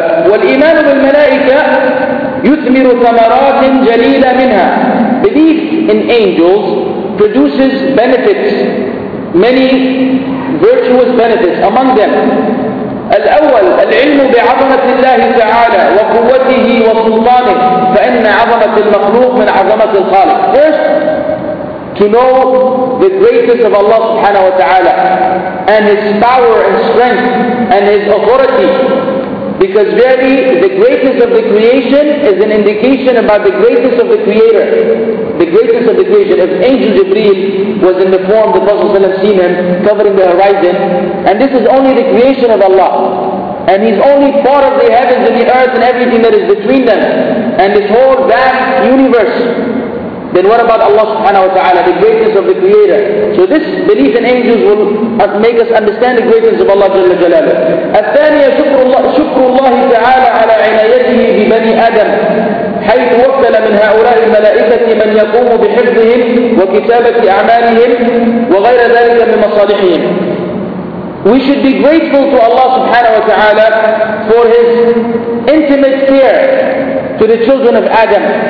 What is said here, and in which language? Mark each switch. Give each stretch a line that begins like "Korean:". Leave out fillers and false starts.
Arabic: وَالْإِيمَانُ بِالْمَلَائِكَةِ يُثْمِرُ ثَمَرَاتٍ جَلِيلًا مِنْهَا
English: Belief in angels produces benefits, many virtuous benefits among them.
Arabic: الأول العلم بعظمة الله تعالى وقوته وسلطانه فإن عظمة المخلوق من عظمة الخالق.
English: First, to know the greatness of Allah subhanahu wa ta'ala and His power and strength and His authority. Because verily, the greatness of the creation is an indication about the greatness of the Creator. The greatness of the creation. If Angel Jibreel was in the form the Prophet ﷺ seen him, covering the horizon, and this is only the creation of Allah. And He's only part of the heavens and the earth and everything that is between them. And this whole vast universe. Then what about Allah subhanahu wa ta'ala, the greatness of the Creator? So this belief in angels will make us understand the greatness of Allah Jalla Jalaluhu.
Arabic: الثانية شكر الله تعالى على عنايته ببني آدم حيث وكل من هؤلاء الملائكة من يقوم بحفظهم وكتابة أعمالهم وغير ذلك من مصالحهم.
English: We should be grateful to Allah subhanahu wa ta'ala for His intimate care to the children of Adam.